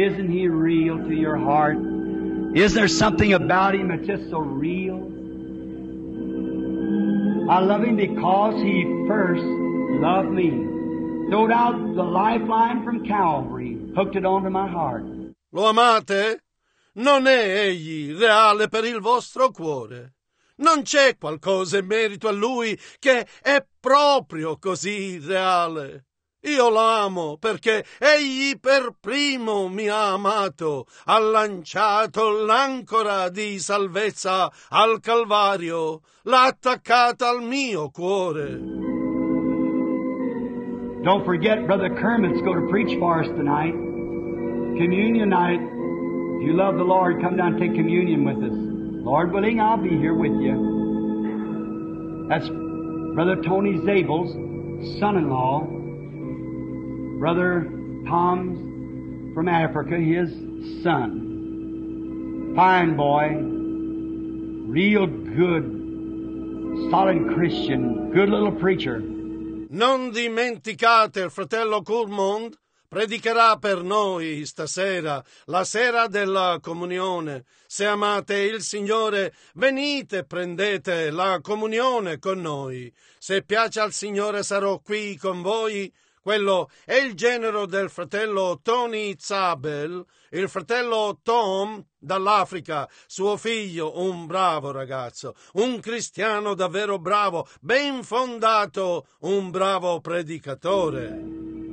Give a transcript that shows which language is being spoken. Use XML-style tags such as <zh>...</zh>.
<en>Isn't he real to your heart? Is there something about him that's just so real? I love him because he first loved me. Threw out the lifeline from Calvary, hooked it onto my heart.</en> <it>Lo amate? Non è egli reale per il vostro cuore? Non c'è qualcosa in merito a lui che è proprio così reale? Io l'amo perché egli per primo mi ha amato, ha lanciato l'ancora di salvezza al Calvario, l'ha attaccata al mio cuore.</it> <en>Don't forget, Brother Kermit's going to preach for us tonight. Communion night. If you love the Lord, come down and take communion with us. Lord willing, I'll be here with you. That's Brother Tony Zabel's son-in-law. Brother Tom's from Africa, his son. Fine boy. Real good, solid Christian, good little preacher.</en> <it>Non dimenticate, il fratello Kurmond predicherà per noi stasera, la sera della comunione. Se amate il Signore, venite, prendete la comunione con noi. Se piace al Signore, sarò qui con voi. Quello è il genero del fratello Tony Zabel, il fratello Tom dall'Africa, suo figlio, un bravo ragazzo, un cristiano davvero bravo, ben fondato, un bravo predicatore.</it>